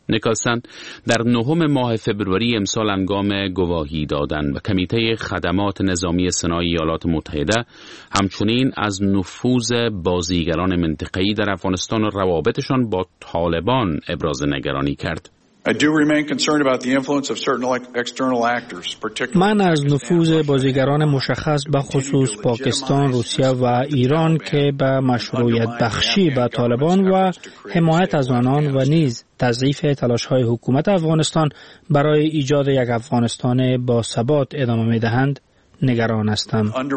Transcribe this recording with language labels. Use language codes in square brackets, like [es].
[fa] نیکلسن در نهم ماه فوریه امسال انگام گواهی دادن به کمیته خدمات نظامی سنای ایالات متحده همچنین از نفوذ بازیگران منطقه‌ای در افغانستان و روابطشان با طالبان ابراز نگرانی کرد. [en] I do remain concerned about the influence of certain external actors, particularly. [fa] من از نفوذ بازیگران مشخص به خصوص پاکستان، روسیه و ایران که به مشروعیت بخشی به طالبان و حمایت از آنان و نیز تضعیف تلاش‌های حکومت افغانستان برای ایجاد یک افغانستان با ثبات ادامه می‌دهند، نگران هستم.